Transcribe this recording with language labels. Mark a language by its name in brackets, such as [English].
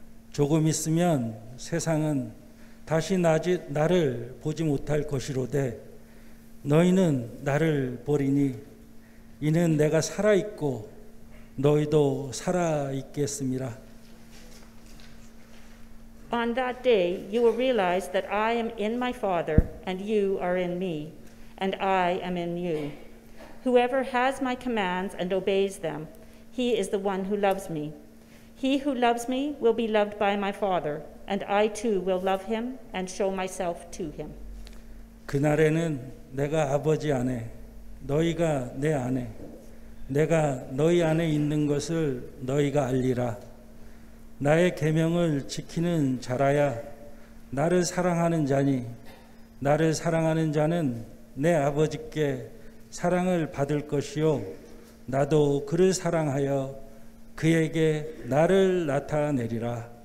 [Korean] 조금 있으면 세상은 다시 나를 보지 못할 것이로되 너희는 나를 보리니 이는 내가 살아있고 너희도 살아있겠음이라. [English] On that day, you will realize that I am in my Father, and you are in me, and I am in you. Whoever has my commands and obeys them, he is the one who loves me. He who loves me will be loved by my Father, and I too will love him and show myself to him. [Korean] 그날에는 내가 아버지 안에, 너희가 내 안에, 내가 너희 안에 있는 것을 너희가 알리라. 나의 계명을 지키는 자라야 나를 사랑하는 자니 나를 사랑하는 자는 내 아버지께 사랑을 받을 것이요 나도 그를 사랑하여 그에게 나를 나타내리라.